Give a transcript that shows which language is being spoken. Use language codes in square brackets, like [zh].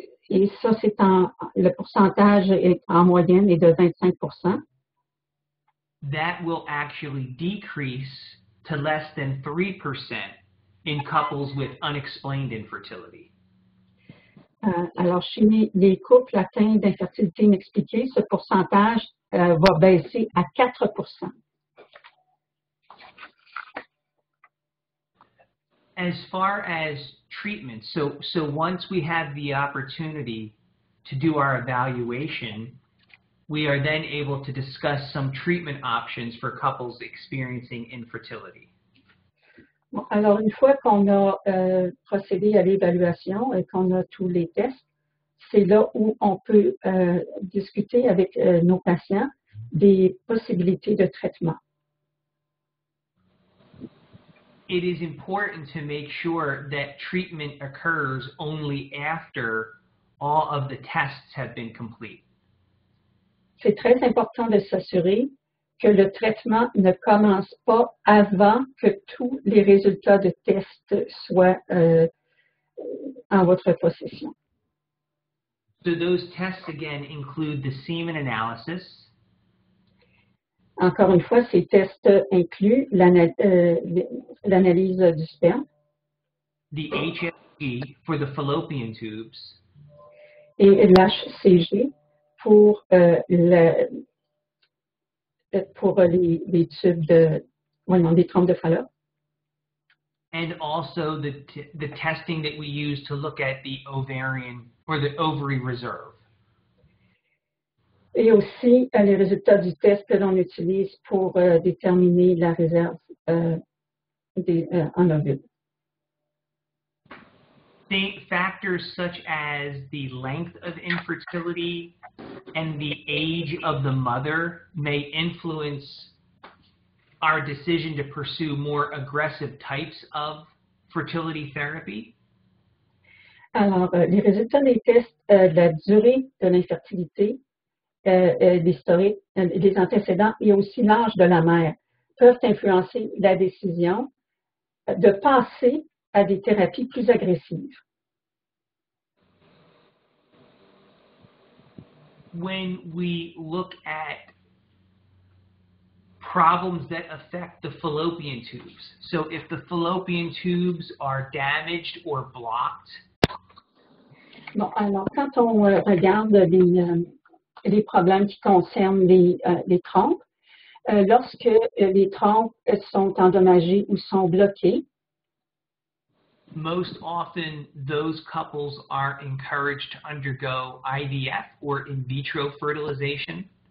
[fr] Et ça, c'est le pourcentage en moyenne est de 25%. [en] That will actually decrease to less than 3% in couples with unexplained infertility. [fr] Alors, chez les couples atteints d'infertilité inexpliquée, ce pourcentage va baisser à 4%. [en] As far as treatment, so once we have the opportunity to do our evaluation, we are then able to discuss some treatment options for couples experiencing infertility. [fr] Alors, une fois qu'on a procédé à l'évaluation et qu'on a tous les tests, c'est là où on peut discuter avec nos patients des possibilités de traitement. [en] It is important to make sure that treatment occurs only after all of the tests have been complete. [fr] C'est très important de s'assurer que le traitement ne commence pas avant que tous les résultats de tests soient en votre possession. [en] So those tests again include the semen analysis. [fr] Encore une fois, ces tests incluent l'analyse du sperme. [en] The HSG for the fallopian tubes. [fr] Et l'HCG pour, les tubes de, non, des trompes de Fallope. [en] And also the testing that we use to look at the ovarian or the ovary reserve. [fr] Et aussi les résultats du test que l'on utilise pour déterminer la réserve en ovule. [en] Same factors such as the length of infertility and the age of the mother may influence our decision to pursue more aggressive types of fertility therapy. [fr] Alors, les résultats des tests de la durée de l'infertilité, l'historique, les antécédents et aussi l'âge de la mère peuvent influencer la décision de passer à des thérapies plus agressives. [en] When we look at problems that affect the fallopian tubes, so if the fallopian tubes are damaged or blocked. [fr] Bon, alors quand on regarde les problèmes qui concernent les trompes. Lorsque les trompes sont endommagées ou sont bloquées, [en] most often those couples are encouraged to undergo IVF or in vitro fertilization.